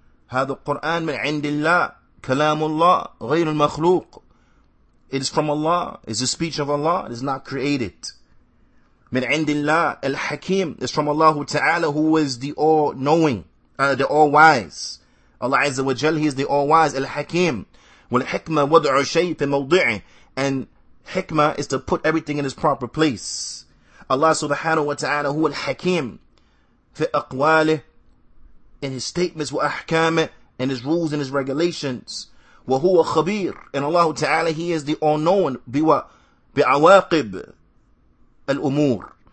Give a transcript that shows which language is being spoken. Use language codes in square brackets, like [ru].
[ar] هذا القرآن من عند الله. كلام الله غير المخلوق. [en] It is from Allah. It's the speech of Allah. It is not created. [ar] من عند الله الحكيم. [en] It's from Allah Ta'ala, who is the all-knowing, the all-wise. Allah Azza wa Jal, He is the all-wise, الحكيم. [ar] والحكمة وضع شيء في موضعه. [en] And hikmah is to put everything in its proper place. Allah Subhanahu wa Ta'ala, who [ar] الحكيم في أقواله. [en] and his statements, [ar] wa ahkam, [en] and his rules and his regulations. [ar] Wa huwa khabir, [en] and Allah Ta'ala, he is the all-knowing, [ar] biwa bi'awaqib al-umur.